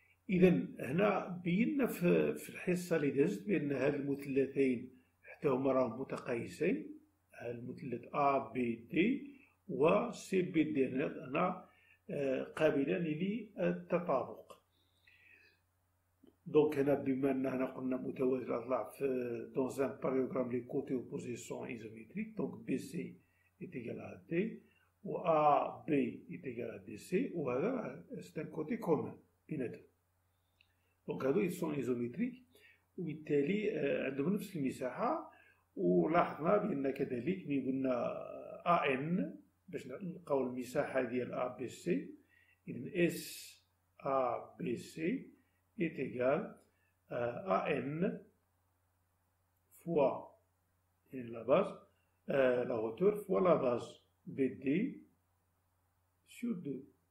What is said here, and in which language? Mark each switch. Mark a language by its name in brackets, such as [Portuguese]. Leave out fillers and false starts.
[Arabic] اذا هنا بينا في الحصه اللي دازت بان هاد المثلثين حتى هما راهم متقايسين المثلث ا بي دي و سي بي دي هنا قابلان للتطابق. [French] Donc, [Arabic] بما اننا قلنا متوازي الاضلاع في [French] dans un parallélogramme les côtés opposés sont isométriques. Donc, BC est égal à AD ou AB est égal à DC ou [Arabic] هذا [French] c'est un côté commun [Arabic] بيناتهم. Donc, هذو [French] ils sont isométriques [Arabic] وبالتالي عندهم نفس المساحة. ولاحظنا بأن كذلك ملي قلنا AN باش نلقاو المساحة ديال ABC إذا [French] SABC est égal à AN fois la base, la hauteur fois la base BD sur 2.